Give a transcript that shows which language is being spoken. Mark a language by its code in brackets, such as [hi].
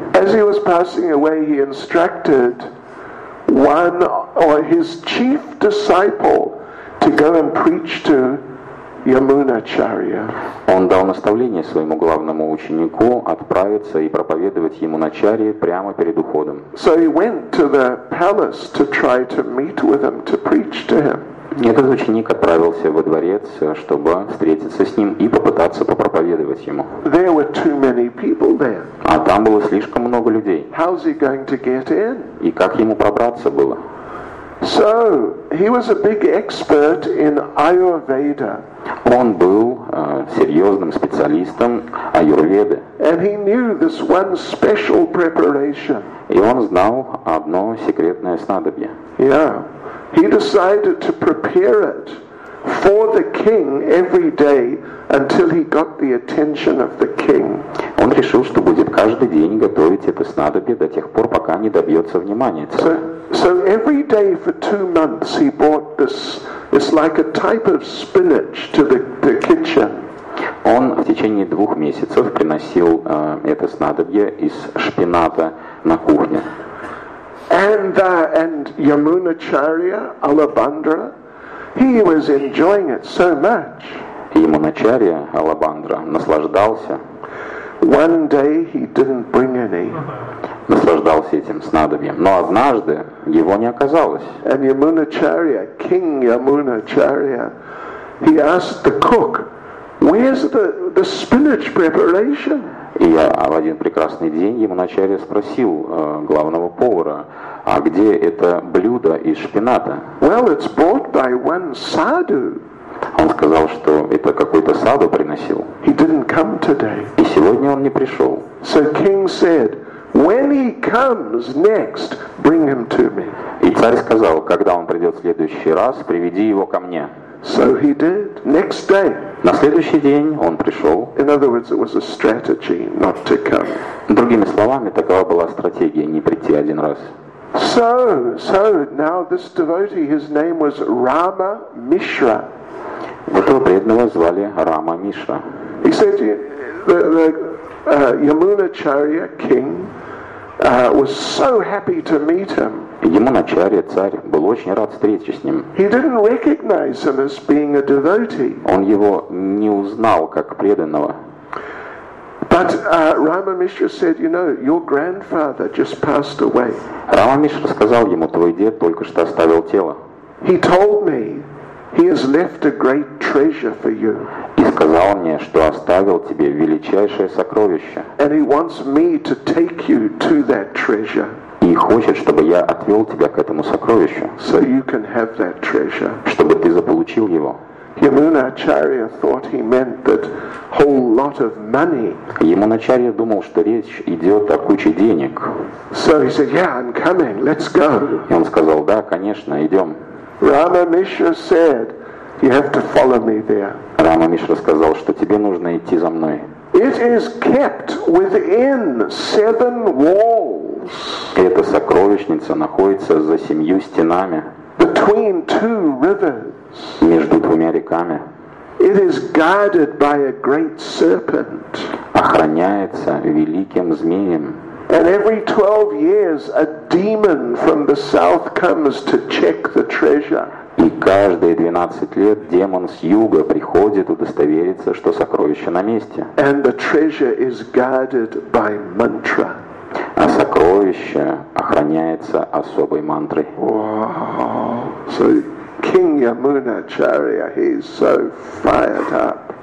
[en] As he was passing away, he instructed one or his chief disciple to go and preach to Yamanacharya. [ru] Он дал наставление своему главному ученику отправиться и проповедовать Yamanacharya прямо перед уходом. [en] So he went to the palace to try to meet with him, to preach to him. [ru] Этот ученик отправился во дворец, чтобы встретиться с ним и попытаться попроповедовать ему. [en] There were too many people there. [ru] А там было слишком много людей. [en] How's he going to get in? [ru] И как ему пробраться было? [en] So, he was a big expert in Ayurveda. [ru] он был серьезным специалистом аюрведы. [en] And he knew this one special preparation. [ru] И он знал одно секретное снадобье. [en] Yeah. He decided to prepare it for the king every day until he got the attention of the king. [ru] Он решил, что будет каждый день готовить это снадобье до тех пор, пока не добьется внимания царя. [en] So every day for 2 months he brought this. It's like a type of spinach to the kitchen. [ru] Он в течение 2 месяцев приносил это снадобье из шпината на кухню. [en] And Yamunacharya Alabhadra, he was enjoying it so much. [ru] Yamunacharya Alabhadra наслаждался. [en] One day he didn't bring any. [ru] Наслаждался этим снадобьем, но однажды его не оказалось. [en] And Yamunacharya, King Yamunacharya, he asked the cook, "Where's the spinach preparation?" [ru] И в один прекрасный день Yamunacharya спросил главного повара, а где это блюдо из шпината? [en] Well, it's brought by one sadhu. [ru] Он сказал, что это какой-то саду приносил. [en] He didn't come today. [ru] И сегодня он не пришел. [en] So king said, when he comes next, bring him to me. [ru] И царь сказал, когда он придет в следующий раз, приведи его ко мне. [en] So he did. Next day. [ru] На следующий день он пришел. [en] In other words, it was a strategy not to come. [ru] Другими словами, такова была стратегия не прийти один раз. [en] So now this devotee, his name was Rama Mishra. [ru] Этого преданного звали Рама Мишра. [en] He said the Yamunacharya king was so happy to meet him. [ru] Yamunacharya царь был очень рад встрече с ним. [en] He didn't recognize him as being a devotee. [ru] Он его не узнал как преданного. [en] But Rama Mishra said, you know, your grandfather just passed away. [ru] Рама Мишра сказал ему, твой дед только что оставил тело. [en] He told me he has left a great treasure for you. [ru] И сказал мне, что оставил тебе величайшее сокровище. [en] And he wants me to take you to that treasure. [ru] И хочет, чтобы я отвел тебя к этому сокровищу. [en] So you can have that treasure. [ru] Чтобы ты заполучил его. [en] Yamunacharya thought he meant that whole lot of money. [ru] Yamunacharya думал, что речь идет о куче денег. [en] So he said, "Yeah, I'm coming. Let's go." [ru] И он сказал, да, конечно, идем. [en] Rama Mishra said, "You have to follow me there." [ru] Рама Мишра сказал, что тебе нужно идти за мной. [en] It is kept within 7 walls. [ru] Эта сокровищница находится за 7 стенами. [en] Between 2 rivers. [ru] Между 2 реками. [en] It is guarded by a great serpent. [ru] Охраняется великим змеем. [en] And every 12 years a demon from the south comes to check the treasure. [ru] И каждые 12 лет демон с юга приходит удостовериться, что сокровище на месте. [en] And the treasure is guarded by mantra. [ru] А сокровище охраняется особой мантрой. [en] Wow. So King Yamunacharya, he's so fired up.